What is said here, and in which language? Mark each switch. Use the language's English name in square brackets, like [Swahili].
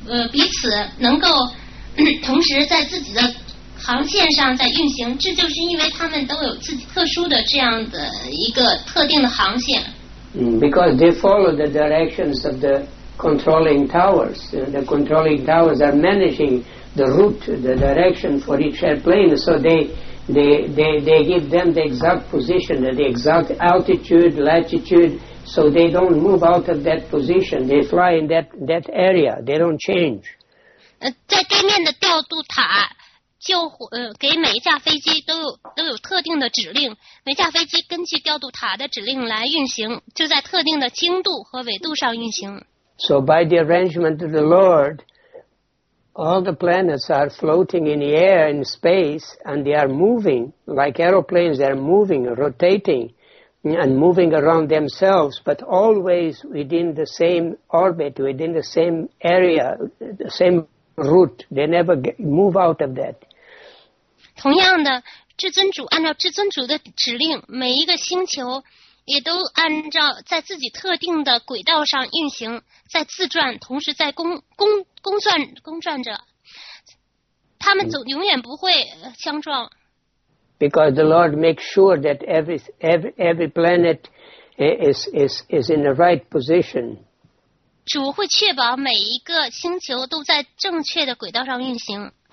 [Chinese] 彼此能够同时在自己的航线上在运行，这就是因为他们都有自己特殊的这样的一个特定的航线。 [English] Because they follow the directions of the controlling towers. The controlling towers are managing the route, the direction for each airplane. So they give them the exact position, the exact altitude, latitude. So they don't move out of that position. They fly in that area. They don't change. [Chinese] 在地面的调度塔就给每一架飞机都有特定的指令。每架飞机根据调度塔的指令来运行，就在特定的经度和纬度上运行。 [English] So by the arrangement of the Lord, all the planets are floating in the air in space, and they are moving like aeroplanes. They are moving, rotating. And moving around themselves, but always within the same orbit, within the same area, the same route. They never move out of that. [Chinese] 同样的，至尊主按照至尊主的指令，每一个星球也都按照在自己特定的轨道上运行，在自转，同时在公转着。他们永远不会相撞。 [English] Because the Lord makes sure that every planet is in the right position. [Chinese] 主会确保每一个星球都在正确的轨道上运行。